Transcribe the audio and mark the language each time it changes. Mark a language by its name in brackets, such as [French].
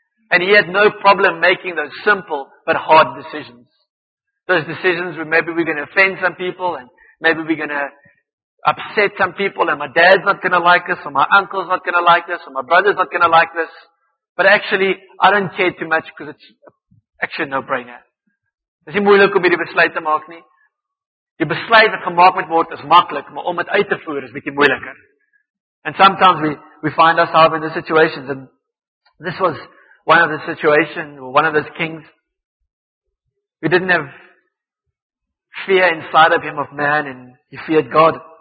[English] And he had no problem making those simple but hard decisions. Those decisions where maybe we're going to offend some people and maybe we're going to upset some people and my dad's not going to like this or my uncle's not going to like this or my brother's not going to like this. But actually, I don't care too much because it's actually a no-brainer. [Afrikaans] Dis nie moeilik om hierdie besluit te maak nie. Die besluit wat gemaak moet word is maklik, maar om dit uit te voer is bietjie moeiliker. [English] And sometimes we find ourselves in the situations and this was one of the situations or one of those kings. He didn't have fear inside of him of man and he feared God.